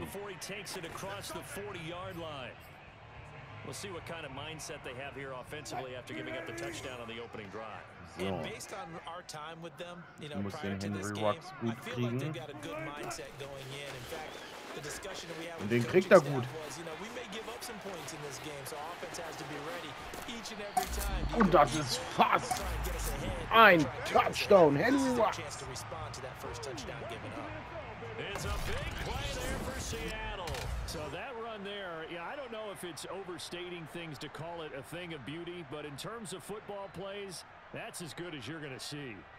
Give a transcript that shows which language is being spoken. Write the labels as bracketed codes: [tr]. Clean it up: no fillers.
[en] Before he takes it across the 40-yard line. We'll see what kind of mindset they have here offensively after giving up the touchdown on the opening drive. So. And based on our time with them, you know, prior to this game, I feel like they've got a good mindset going in. In fact, the discussion that we have [de] und den kriegt er gut. [en] Was, you know, we may give up some points in this game, so offense has to be ready each and every time. [de] Und das ist fast ein Touchdown, Henry Watts. [en] To respond to that first touchdown given up. It's a big play there for Seattle. So that run there, yeah, I don't know if it's overstating things to call it a thing of beauty, but in terms of football plays, that's as good as you're going to see.